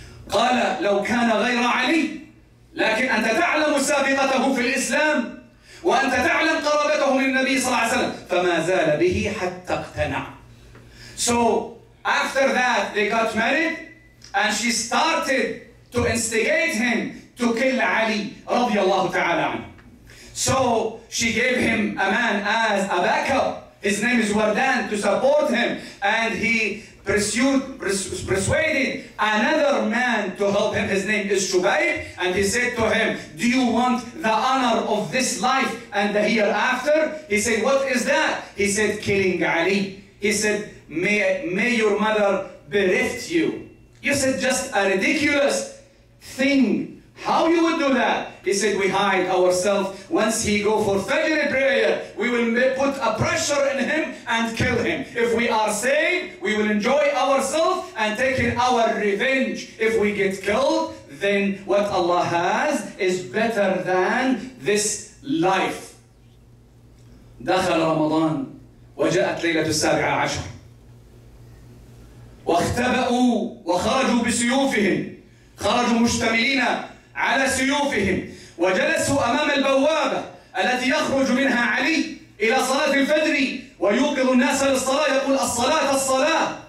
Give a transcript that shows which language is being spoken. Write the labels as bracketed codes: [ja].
[ar] قال لو كان غير علي، لكن أنت تعلم سابقته في الإسلام وأنت تعلم قرابته للنبي صلى الله عليه وسلم، فما زال به حتى اقتنع. [en] So after that they got married and she started to instigate him to kill Ali [ar] رضي الله تعالى عنه. [en] So she gave him a man as a backup. His name is Wardan, to support him. And he persuaded another man to help him. His name is Shubayb. And he said to him, do you want the honor of this life and the hereafter? He said, what is that? He said, killing Ali. He said, may your mother bereft you. You said, just a ridiculous thing. How you would do that? He said, we hide ourselves. Once he go for Fajr prayer, we will put a pressure in him and kill him. If we are saved, we will enjoy ourselves and take our revenge. If we get killed, then what Allah has is better than this life. [ar] دخل رمضان وجاءت ليلة السابعة عشر واختبأوا وخرجوا بسيوفهم، خرجوا مشتملين على سيوفهم وجلسوا أمام البوابة التي يخرج منها علي إلى صلاة الفجر ويوقظ الناس للصلاة، يقول الصلاة الصلاة.